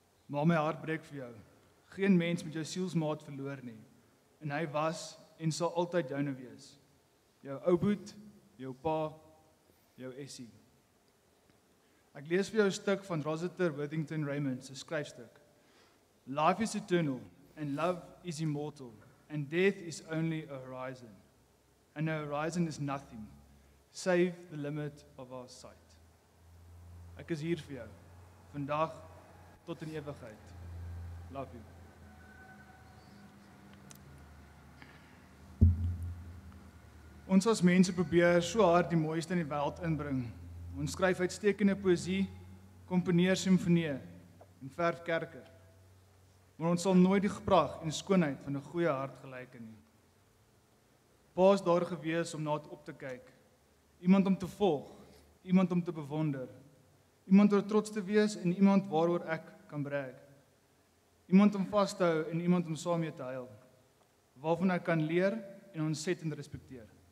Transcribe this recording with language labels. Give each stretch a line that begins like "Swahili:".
Afrikaans: Maar my hart breek vir jou. Geen mens met jou sielsmaat verloor nie. En hy was en sal altyd joune wees. Jou ouboet, jou pa, jou essie. Ek lees vir jou een stuk van Rositer Worthington Raymond, sy skryfstuk.
English: Life is eternal, and love is immortal, and death is only a horizon. And a horizon is nothing, save the limit of our sight.
Afrikaans: Ek is hier vir jou, vandag tot in ewigheid.
English: Love you.
Afrikaans: Ons as mense probeer so hard die mooiste in die wêreld inbring. Ons skryf uitstekende poësie, komponeer simfonieë en verf kerke. Maar ons sal nooit die pragt en skoonheid van 'n goeie hart gelyk nie. Pa is daar gewees om na dit op te kyk. Iemand om te volg, iemand om te bewonder. Iemand om trots te wees en iemand waaroor ek kan brag. Iemand om vas te hou en iemand om saam mee te huil. Waarvan ek kan leer en ontsettend respekteer.